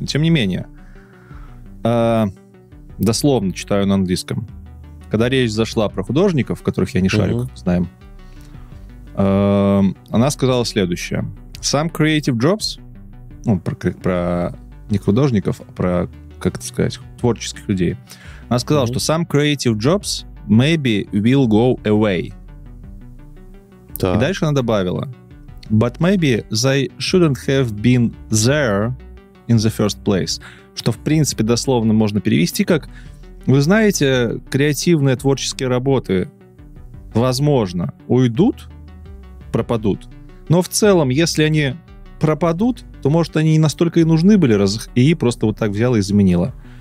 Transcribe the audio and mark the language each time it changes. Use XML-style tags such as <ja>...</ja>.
<ru>Но тем не менее, дословно читаю на английском. Когда речь зашла про художников, которых я не шарю, как знаем, она сказала следующее.</ru> <en>Some creative jobs,</en> <ru>ну, про не художников, а про как это сказать, творческих людей. Она сказала, что</ru> <en>some creative jobs maybe will go away.</en> <ru>Так. И дальше она добавила,</ru> <en>but maybe they shouldn't have been there in the first place.</en> <ru>Что, в принципе, дословно можно перевести как, вы знаете, креативные творческие работы, возможно, уйдут, пропадут, но в целом, если они пропадут, то, может, они не настолько и нужны были, раз ИИ просто вот так взяла и заменила.</ru>